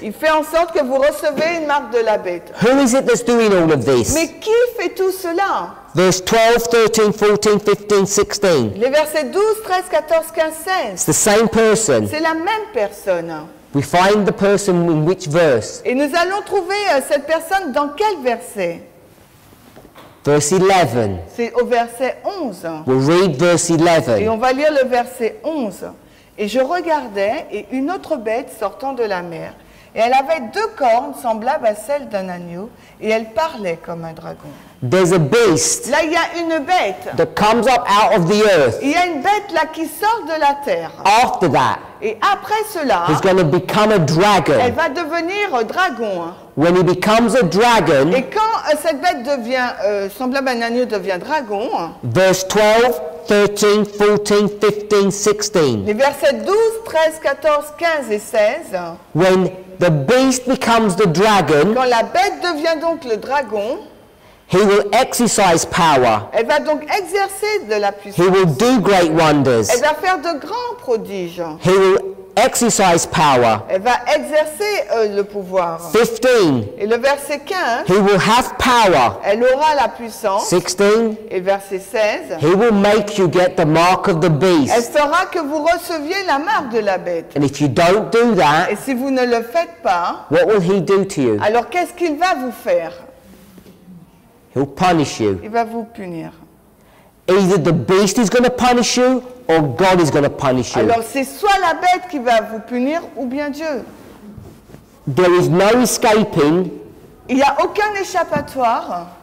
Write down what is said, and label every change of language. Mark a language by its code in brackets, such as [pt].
[fr] Il fait en sorte que vous recevez une marque de la bête. [en] Who is it that's doing all of this? [fr] Mais qui fait tout cela? [en] Verse 12, 13, 14, 15, 16. [fr] Les versets 12, 13, 14, 15, 16. [en] It's the same person. [fr] C'est la même personne. [en] We find the person in which verse? [fr] Et nous allons trouver cette personne dans quel verset? [en] Verse 11. [fr] C'est au verset 11. [en] We'll read verse 11. [fr] Et on va lire le verset 11. Et je regardais, et une autre bête sortant de la mer. Et elle avait deux cornes semblables à celles d'un agneau, et elle parlait comme un dragon. [en] There's a beast. [fr] Là, il y a une bête. [en] That comes up out of the earth. [fr] Il y a une bête là qui sort de la terre. [en] After that. [fr] Et après cela. [en] He's going to become a dragon. [fr] Elle va devenir un dragon. [en] When he becomes a dragon. [fr] Et quand cette bête devient semblable à un agneau devient dragon. [en] Verse 12, 13, 14, 15, 16. [fr] Les versets 12, 13, 14, 15 et 16. [en] When the beast becomes the dragon. [fr] Quand la bête devient donc le dragon. [en] He will exercise power. [fr] Elle va donc exercer de la puissance. [en] He will do great wonders. [fr] Elle va faire de grands prodiges. [en] He will exercise power. [fr] Elle va exercer le pouvoir. [en] 15. [fr] Et le verset 15. [en] He will have power. [fr] Elle aura la puissance. [en] 16. [fr] Et verset 16. [en] He will make you get the mark of the beast. [fr] Elle fera que vous receviez la marque de la bête. [en] And if you don't do that. [fr] Et si vous ne le faites pas. [en] What will he do to you? [fr] Alors qu'est-ce qu'il va vous faire? [en] He'll punish you. [fr] Il va vous punir. [en] Either the beast is going to punish you or God is going to punish you. [fr] Alors c'est soit la bête qui va vous punir ou bien Dieu. [en] There is no escaping. [fr] Il y a aucun échappatoire.